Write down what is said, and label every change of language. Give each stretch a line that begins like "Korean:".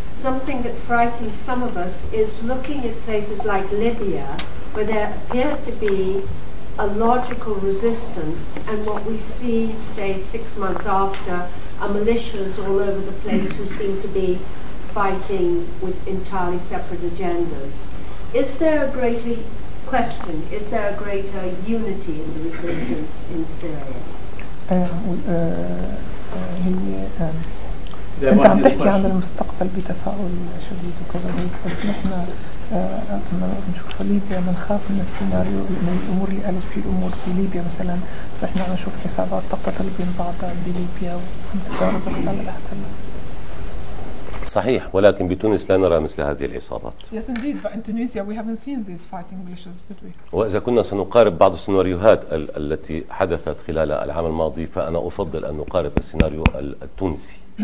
English: Something that frightens some of us is looking at places like Libya, where there appear to be a logical resistance, and what we see, say, 6 months after, are militias all over the place who seem to be fighting with entirely separate agendas. Is there a greater question? Is there a greater unity in the resistance in Syria?
Arabic: أنت عم تحكي عن المستقبل بتفاؤل شديد وكذا هيك بس نحن لما نشوف ليبيا بنخاف من السيناريو من الأمور اللي قالت في الأمور في ليبيا مثلا فنحن عم نشوف حسابات تقتتل بين بعضها بليبيا وانتصار بالحلال الأحتلال صحيح ولكن بتونس لا نرى مثل هذه العصابات.
English: Yes indeed, but in Tunisia we haven't seen these fighting militias, did we?
Arabic: وإذا كنا سنقارب بعض السيناريوهات التي حدثت خلال العام الماضي فأنا أفضل أن نقارب السيناريو التونسي.